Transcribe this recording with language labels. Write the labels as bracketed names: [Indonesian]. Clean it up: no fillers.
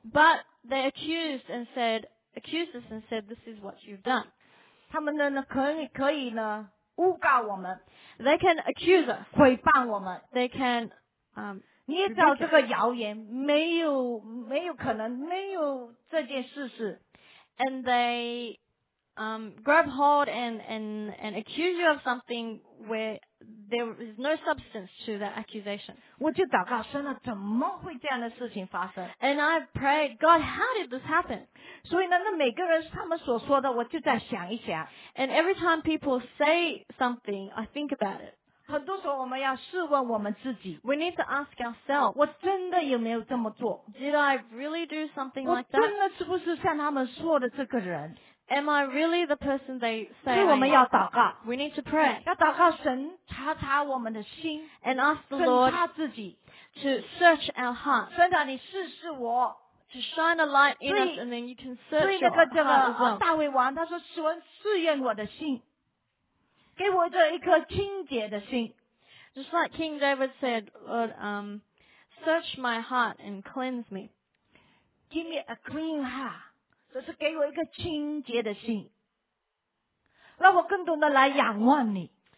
[English] But they accused us and said, "This is what you've done." [Chinese] 他们呢可以呢诬告我们 [English] ，They can accuse us， [Chinese] 诽谤我们 [English] ，They can [Chinese] 捏造这个谣言，没有可能，没有这件事实 [English] ，And they grab hold and accuse you of something where there is no substance to that accusation。 [Chinese] 我就祷告神了，怎么会这样的事情发生 [English] ？And I prayed, God, how did this happen？ [Chinese] 所以呢，那每个人他们所说的，我就在想一想。 [English] And every time people say something, I think about it. [Chinese] 很多时候我们要试问我们自己。 [English] We need to ask ourselves, [Chinese] 我真的有没有这么做 [English] ？Did I really do something like that？ [Chinese] 我真的是不是像他们说的这个人 [English] ？Am I really the person they say？ [Chinese] 所以我们要祷告。 [English] We need to pray. [Chinese] 要祷告神查查我们的心 [English] ，and ask the Lord [Chinese] 查自己 [English] to search our heart. [Chinese] 神啊，你试试我。 [English] To shine a light in us, and then you can search your heart as well. [Chinese] 大卫王他说：“神试验我的心，给我这一颗清洁的心。” [English] Just like King David said, Lord, search my heart and cleanse me. Give me a clean heart. [Chinese] 这是给我一颗清洁的心，让我更懂得来仰望你。